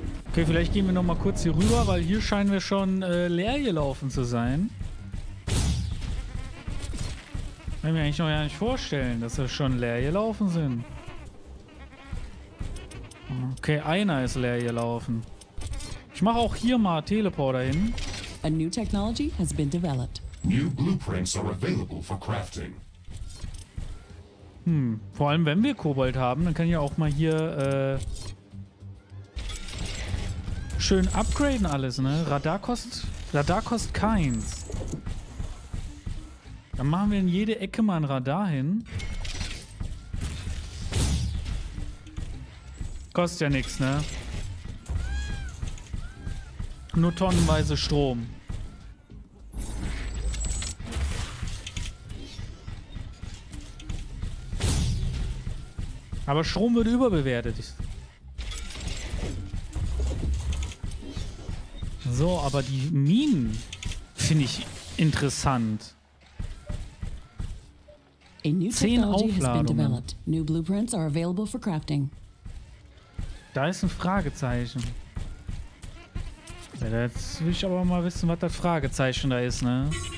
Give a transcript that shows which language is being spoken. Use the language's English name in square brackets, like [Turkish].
[German] Okay, vielleicht gehen wir noch mal kurz hier rüber, weil hier scheinen wir schon leer gelaufen zu sein. Kann ich mir eigentlich noch gar nicht vorstellen, dass wir schon leer gelaufen sind. Okay, einer ist leer gelaufen. Ich mache auch hier mal Teleporter hin. [English] A new technology has been developed. New blueprints are available for crafting. [German] Vor allem wenn wir Kobalt haben, dann kann ich auch mal hier schön upgraden alles, ne? Radar kostet keins. Dann machen wir in jede Ecke mal ein Radar hin. Kostet ja nichts, ne? Nur tonnenweise Strom. Aber Strom wird überbewertet. So, aber die Minen finde ich interessant. 10 Aufladungen. [English] New blueprints are available for crafting. [German] Da ist ein Fragezeichen. Ja, jetzt will ich aber mal wissen, was das Fragezeichen da ist, ne?